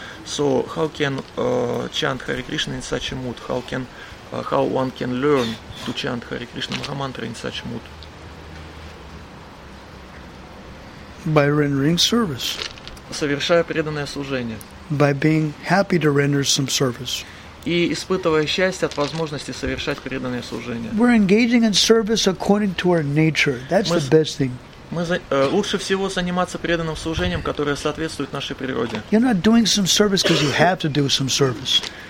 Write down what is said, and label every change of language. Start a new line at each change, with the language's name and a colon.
English: So how can chant Hare Krishna in such a mood? How can how one can learn to chant Hare Krishna Maha Mantra in such a mood? By rendering service.
Russian: Совершая преданное служение.
English: By being happy to render some service.
Russian: И испытывая счастье от возможности совершать преданное служение.
English: We're engaging in service according to our nature. That's the best thing.
Russian: Лучше всего заниматься преданным служением, которое соответствует нашей природе.
English: You're not doing some service because you have to do some service.